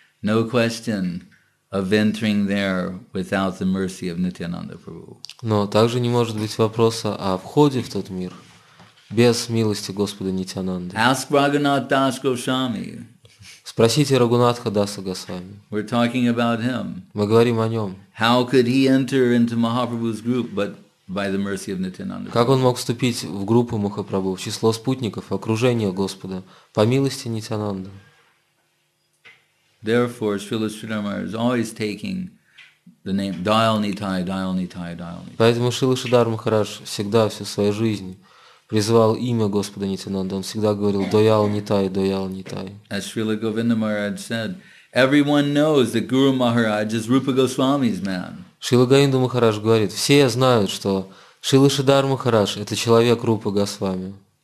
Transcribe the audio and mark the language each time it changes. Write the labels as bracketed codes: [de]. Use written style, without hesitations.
[en] No question of entering there without the mercy of Nityananda Prabhu. [ru] Но также не может быть вопроса о входе в тот мир без милости Господа Нитянанды. [en] Ask Raghunath Das Goswami. [ru] Спросите Рагунатха Даса Госвами. [en] We're talking about him. [ru] Мы говорим о нем. [en] How could he enter into Mahaprabhu's group, but by the mercy of Nityananda. [ru] Как он мог вступить в группу Махапрабху, в число спутников, в окружение Господа, по милости Нитянанды? [en] Therefore, Srila Sridharma is always taking the name Dayal Nitai, Dayal Nitai, Dayal Nitai. [ru] Поэтому Шрила Шридхар Махарадж всегда всю свою жизнь призывал имя Господа Нитянанды. Он всегда говорил Dayal Nitai, Dayal Nitai. [en] As Srila Govinda Maharaj said, everyone knows that Guru Maharaj is Rupa Goswami's man. [ru] Шрила Говинда Махарадж говорит, все знают, что Шрила Шридхар Махарадж – это человек Рупа Госвами.